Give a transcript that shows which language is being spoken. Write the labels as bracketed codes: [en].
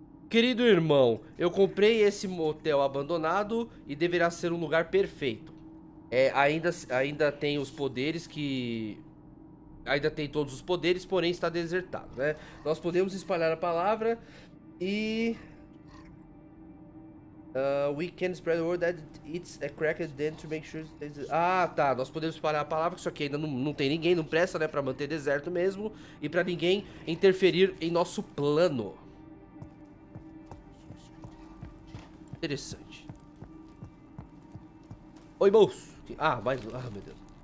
[pt] Querido irmão, eu comprei esse motel abandonado e deverá ser um lugar perfeito. É, ainda tem os poderes que... Ainda tem todos os poderes, porém está desertado, né? Nós podemos espalhar a palavra e... [en] we can spread the word that it's a cracked den to make sure... It's... [pt] Ah, tá, nós podemos espalhar a palavra, só que ainda não tem ninguém, não presta, né? Pra manter deserto mesmo e pra ninguém interferir em nosso plano. Interessante. Oi, moço. Ah, mais um. Ah, meu Deus.